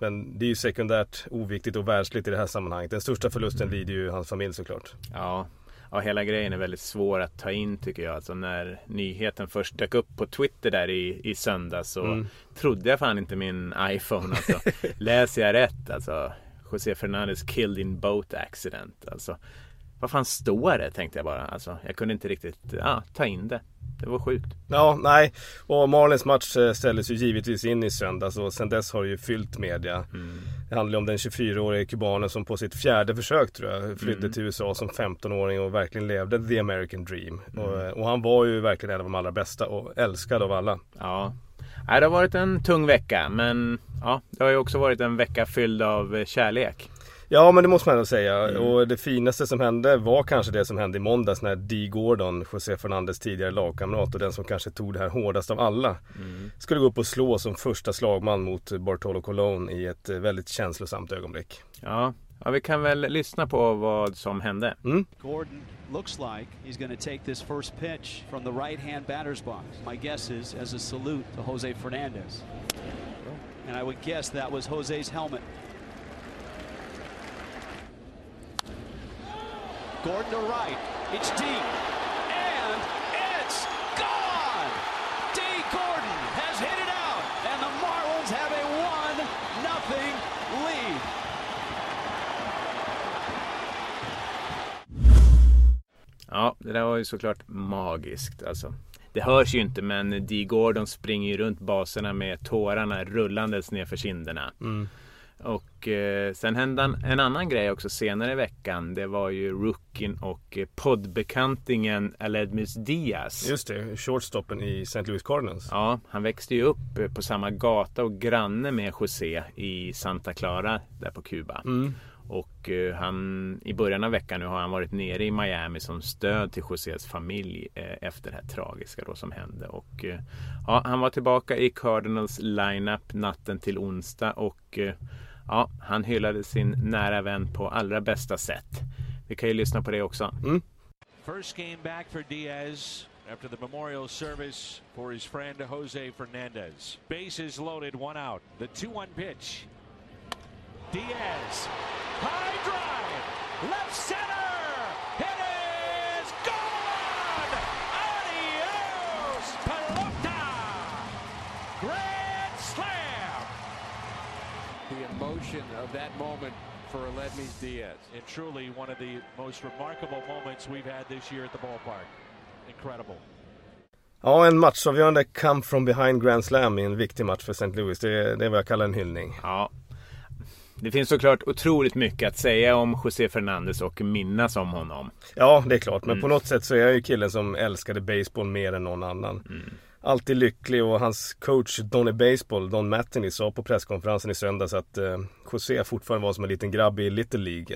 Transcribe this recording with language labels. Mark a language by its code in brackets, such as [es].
[sv] Men det är ju sekundärt oviktigt och världsligt i det här sammanhanget. Den största förlusten lider ju hans familj såklart. Ja, hela grejen är väldigt svår att ta in tycker jag. Alltså när nyheten först dök upp på Twitter där i söndag så trodde jag fan inte min iPhone. Alltså, läser jag rätt? Alltså, [en] José Fernandez killed in boat accident. [sv] Alltså, vad fan står det, tänkte jag bara. Alltså, jag kunde inte riktigt ta in det. Det var sjukt. Ja, nej. Och Marlins match ställdes ju givetvis in i söndags och sen dess har det ju fyllt media. Mm. Det handlar om den 24-årige kubanen som på sitt fjärde försök, tror jag, flyttade till USA som 15-åring och verkligen levde [en] the American dream. [sv] Mm. Och han var ju verkligen en av de allra bästa och älskad av alla. Ja, det har varit en tung vecka, men ja, det har ju också varit en vecka fylld av kärlek. Ja, men det måste man ändå säga. Mm. Och det finaste som hände var kanske det som hände i måndags när Dee Gordon, José Fernandez tidigare lagkamrat och den som kanske tog det här hårdast av alla, skulle gå upp och slå som första slagman mot Bartolo Colon i ett väldigt känslosamt ögonblick. Ja, vi kan väl lyssna på vad som hände. Mm. [en] Gordon looks like he's going to take this first pitch from the right-hand batter's box. My guess is as a salute to José Fernandez. And I would guess that was José's helmet. Gordon to right, it's deep, and it's gone! Dee Gordon has hit it out, and the Marlins have a 1-0 lead. [sv] Ja, det där var ju såklart magiskt. Alltså, det hörs ju inte, men Dee Gordon springer ju runt baserna med tårarna rullandes ner för kinderna. Mm. Och sen hände en annan grej också senare i veckan. Det var ju rookien och poddbekantingen Aledmys Diaz. Just det, shortstoppen i St. Louis Cardinals. Ja, han växte ju upp på samma gata och granne med José i Santa Clara där på Kuba. Mm. Och han, i början av veckan nu har han varit nere i Miami som stöd till Josés familj efter det här tragiska då som hände. Och ja, han var tillbaka i Cardinals lineup natten till onsdag och ja, han hyllade sin nära vän på allra bästa sätt. Vi kan ju lyssna på det också. Mm. [en] First game back for Diaz after the memorial service for his friend José Fernández. Bases loaded, one out. The 2-1 pitch. Diaz, high drive, left center, it is gone, [es] adios, pelota, [en] grand slam. The emotion of that moment for Aledmys Diaz, and truly one of the most remarkable moments we've had this year at the ballpark, incredible. [sv] Ja, en matchavgörande [en] come from behind grand slam [sv] i en viktig match för St. Louis, det är vad jag kallar en hyllning. Ja. Det finns såklart otroligt mycket att säga om José Fernandez och minnas om honom. Ja, det är klart. Men på något sätt så är jag ju killen som älskade baseball mer än någon annan. Mm. alltid lycklig, och hans coach Donny Baseball, Don Mattingly, sa på presskonferensen i söndags att José fortfarande var som en liten grabb i Little League.